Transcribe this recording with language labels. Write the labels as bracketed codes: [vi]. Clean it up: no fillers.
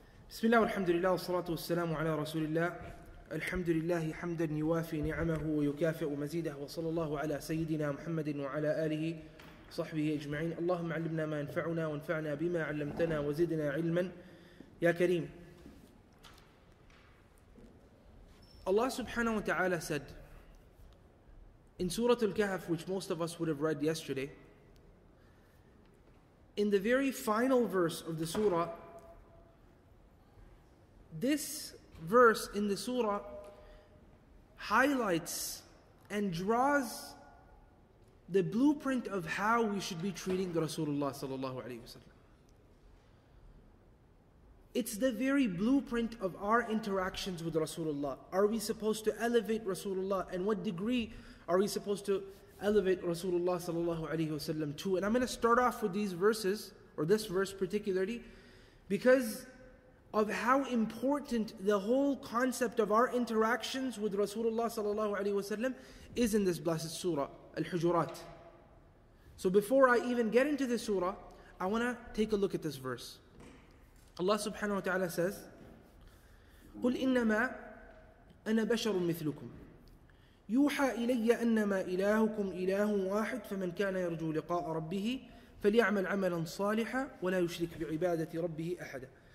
[ar] بسم الله والحمد لله والصلاة والسلام على رسول الله الحمد لله حمدا يوافي نعمه ويكافئ مزيده وصلى الله على سيدنا محمد وعلى آله صحبه أجمعين اللهم علمنا ما ينفعنا وانفعنا بما علمتنا وزدنا علما يا كريم. الله سبحانه وتعالى [en] said in Surah al-Kahf, which most of us would have read yesterday, in the very final verse of the surah, this verse in the surah highlights and draws the blueprint of how we should be treating Rasulullah sallallahu alaihi wasallam. It's the very blueprint of our interactions with Rasulullah. Are we supposed to elevate Rasulullah, and what degree are we supposed to elevate Rasulullah sallallahu alaihi wasallam to? And I'm going to start off with these verses, or this verse particularly, because of how important the whole concept of our interactions with Rasulullah sallallahu alaihi wasallam is in this blessed surah, Al-Hujurat. So before I even get into this surah, I want to take a look at this verse. [ar] Allah subhanahu wa ta'ala says, قُلْ إِنَّمَا أَنَا بَشَرٌ مِثْلُكُمْ يُوحَى إِلَيَّ أَنَّمَا إِلَهُكُمْ إِلَهٌ وَاحِدٌ فَمَنْ كَانَ يَرْجُو لِقَاءَ رَبِّهِ فَلْيَعْمَلْ عَمَلًا صَالِحًا وَلَا يُشْرِكْ بِعِبَادَةِ رَبِّهِ أَحَدًا.